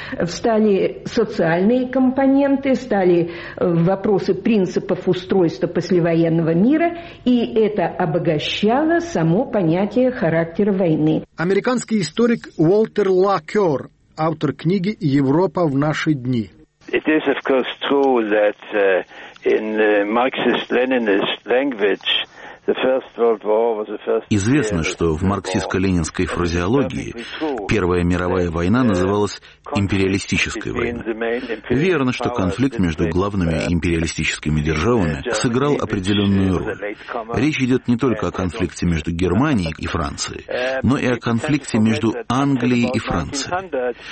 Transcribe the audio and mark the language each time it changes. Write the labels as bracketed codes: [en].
[ru] Встали социальные компоненты, стали вопросы принципов устройства послевоенного мира, и это обогащало само понятие характера войны. Американский историк Уолтер Лакер, автор книги «Европа в наши дни». [en] It is, of course, true that in Marxist-Leninist language the First World War was the first. [ru] Известно, что в марксистско-ленинской фразеологии Первая мировая война называлась империалистической войной. Верно, что конфликт между главными империалистическими державами сыграл определенную роль. Речь идет не только о конфликте между Германией и Францией, но и о конфликте между Англией и Францией.